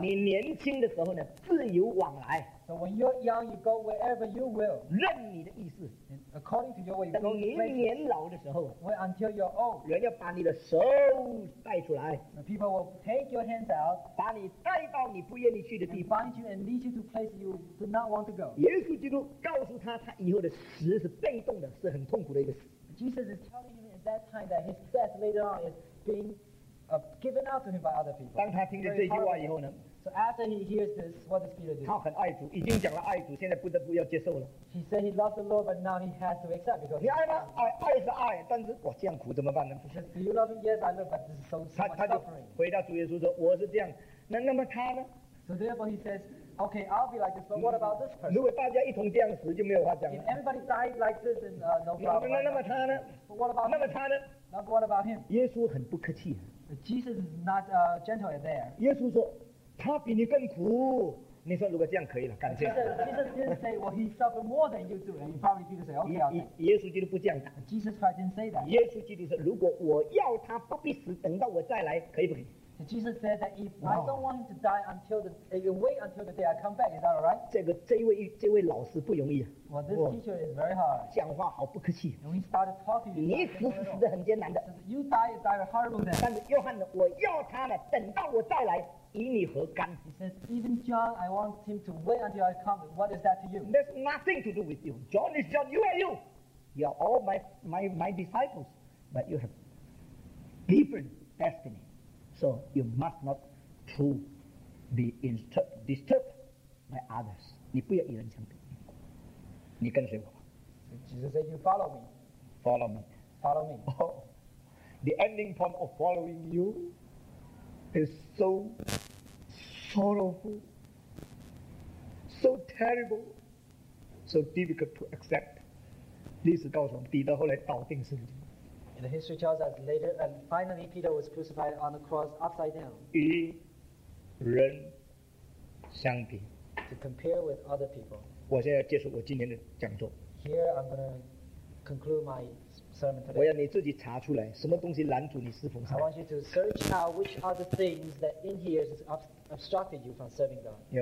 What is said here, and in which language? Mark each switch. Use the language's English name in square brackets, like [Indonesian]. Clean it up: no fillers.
[Chinese] 你年轻的时候呢，自由往来。So [English] when you're young, you go wherever you will. [Chinese] 任你的意思。 [English] According to your way. [Chinese] 等你年老的时候。 [English] Wait until you're old. [Chinese] 人要把你的手带出来。 [English] People will take your hands out. [Chinese] 把你带到你不愿意去的地方。 [English] Find you and lead you to places you do not want to go. [Chinese] 耶稣基督告诉他，他以后的死是被动的，是很痛苦的一个死。 [English] Jesus is telling him at that time that his death later on is being given out to him by other people. [Chinese] 当他听了这句话以后呢？ [English] So after he hears this, what does Peter do? [Chinese] 他很爱主，已经讲了爱主，现在不得不要接受了。 [English] He said he loves the Lord, but now he has to accept because [Chinese] 你爱吗？爱是爱， 但是哇，这样苦怎么办呢？ [English] He says, do you love him? Yes, I love, but this is so much suffering. [Chinese] 他就回答主耶稣说，我是这样。那么他呢？ [English] So therefore he says, okay, I'll be like this, but what about this person? [Chinese] 如果大家一同这样死， 就没有话讲了。 [English] If everybody died like this, then no problem. [Chinese] 那么他呢？ [English] But what about [Chinese] 那么他呢？ [English] him? But what about him? [Chinese] 耶稣很不客气。 [English] Jesus is not gentle there. [Chinese] 耶稣说，他比你更苦。你说如果这样可以了，感谢。 [English] Jesus didn't say, well, he suffered more than you do, and probably Peter said, okay, okay. [Chinese] 耶稣基督不这样答。 [English] Jesus Christ didn't say that. [Chinese] 耶稣基督说，如果我要他不必死，等到我再来，可以不可以？ [English] Jesus said that if I don't want him to die until the wait until the day I come back, is that all right? [Chinese] 这位老师不容易。 [English] Well, this teacher is very hard. [Chinese] 讲话好不客气。 [English] And we started talking. [Chinese] 你死是很艰难的。 [English] You die is very horrible then. [Chinese] 但是约翰呢，我要他呢，等到我再来，与你何干？ [English] He says, even John, I want him to wait until I come. What is that to you? There's nothing to do with you. John is John. You are you. You are all my disciples, but you have different destiny. So you must not to be disturbed by others. [Chinese] 你不要与人相比，你跟随我。 [English] Jesus said, "You follow me." Follow me. Follow me. Oh, the ending point of following you is so sorrowful, so terrible, so difficult to accept. [Chinese] 历史告诉我们，彼得后来倒钉十字架。 [English] The history tells us later, and finally Peter was crucified on the cross upside down. [Chinese] 与人相比, [English] to compare with other people. [Chinese] 我现在要结束我今天的讲座。 [English] Here I'm going to conclude my sermon today. [Chinese] 我要你自己查出来, 什么东西拦阻你侍奉神。 [English] I want you to search out which other things that in here has obstructed you from serving God.